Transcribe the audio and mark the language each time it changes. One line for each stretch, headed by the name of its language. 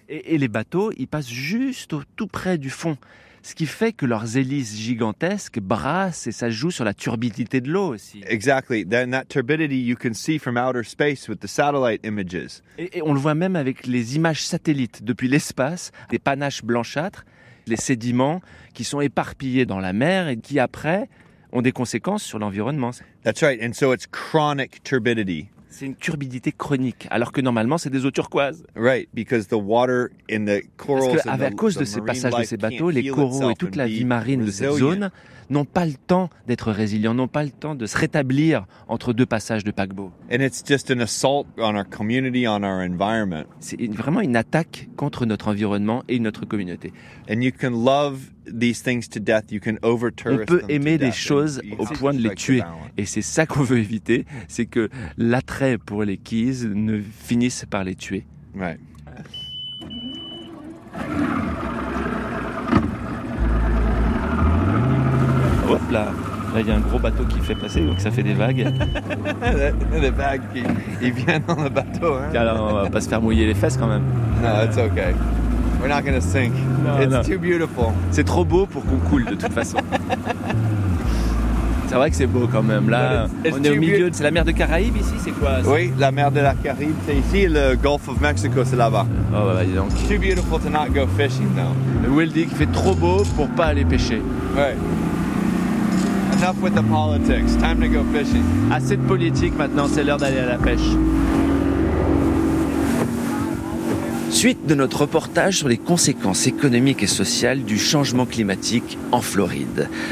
French: Et les bateaux, ils passent juste au tout près du fond. Ce qui fait que leurs hélices gigantesques brassent et ça joue sur la turbidité de l'eau aussi.
English: Exactly. Then that turbidity you can see from outer space with the satellite images.
French: Et on le voit même avec les images satellites depuis l'espace, des panaches blanchâtres, les sédiments qui sont éparpillés dans la mer et qui après ont des conséquences sur l'environnement.
English: That's right. And so it's chronic turbidity.
French: C'est une turbidité chronique, alors que normalement, c'est des eaux turquoises.
English: Right, because the water in the corals.
French: Parce qu'à cause de ces passages de ces bateaux, les coraux et toute la vie marine de cette zone n'ont pas le temps d'être résilients, n'ont pas le temps de se rétablir entre deux passages de paquebots.
English: And it's just an assault on our community, on our environment.
French: C'est vraiment une attaque contre notre environnement et notre communauté.
English: And you can love these things to death, you can over-tourist.
French: On peut aimer des choses au point de les tuer. Et c'est ça qu'on veut éviter, c'est que l'attrait pour les Keys ne finisse par les tuer.
English: Right.
French: Hop là, là il y a un gros bateau qui fait passer, donc ça fait des vagues. Les vagues qui viennent dans le bateau. Hein. Alors on va pas se faire mouiller les fesses quand même. Non, c'est ok.
English: We're not gonna sink. No, it's too beautiful.
French: C'est trop beau pour qu'on coule de toute façon. C'est vrai que c'est beau quand même. Là, on est au milieu. C'est la mer de Caraïbes ici, c'est quoi ça? Oui, la mer de la Caraïbe, c'est ici. Le Gulf of Mexico, c'est là-bas. Oh, bah, dis donc.
English: It's too beautiful to not go fishing, though.
French: Will dit qu'il fait trop beau pour pas aller pêcher.
English: Ouais. Enough with the politics. Time to go fishing.
French: Assez de politique maintenant, c'est l'heure d'aller à la pêche. Suite de notre reportage sur les conséquences économiques et sociales du changement climatique en Floride.